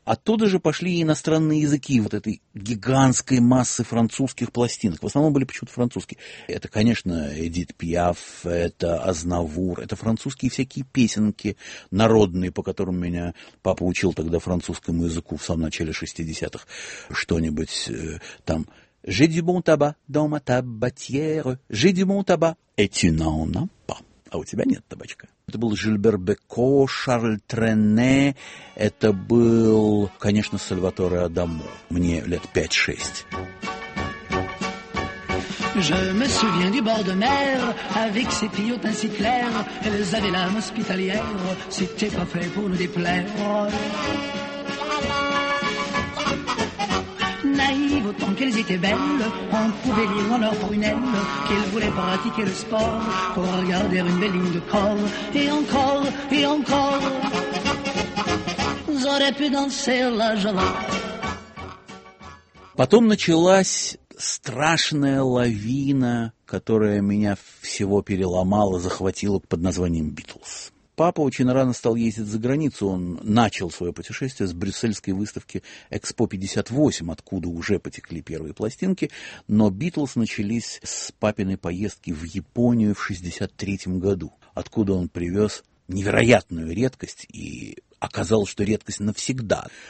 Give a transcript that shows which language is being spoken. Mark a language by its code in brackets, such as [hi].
[ru] Оттуда же пошли и иностранные языки вот этой гигантской массы французских пластинок. В основном были почему-то французские. Это, конечно, Эдит Пиаф, это Азнавур, это французские всякие песенки народные, по которым меня папа учил тогда французскому языку в самом начале 60-х. Что-нибудь там. [fr] «J'ai du bon tabac dans ma tabatière, j'ai du bon tabac, et tu n'en as pas». [ru] «А у тебя нет табачка». Это был Жильбер Беко, Шарль Трене, это был, конечно, Сальваторе Адамо. Мне лет 5-6. [fr] Je me souviens du bord de mer avec ses filles au teint si clair. Elles avaient l'âme hospitalière. C'était pas fait pour nous déplaire. Naïve autant qu'elles étaient belles, on pouvait lire en leurs prunelles qu'elles voulaient pratiquer le sport pour regarder une belle ligne de corps. Et encore, et encore, j'aurais pu danser la java. [ru] Потом началась страшная лавина, которая меня всего переломала, захватила под названием «Битлз». Папа очень рано стал ездить за границу, он начал свое путешествие с брюссельской выставки «Экспо 58», откуда уже потекли первые пластинки, но «Битлз» начались с папиной поездки в Японию в 1963 году, откуда он привез невероятную редкость и оказалось, что редкость навсегда.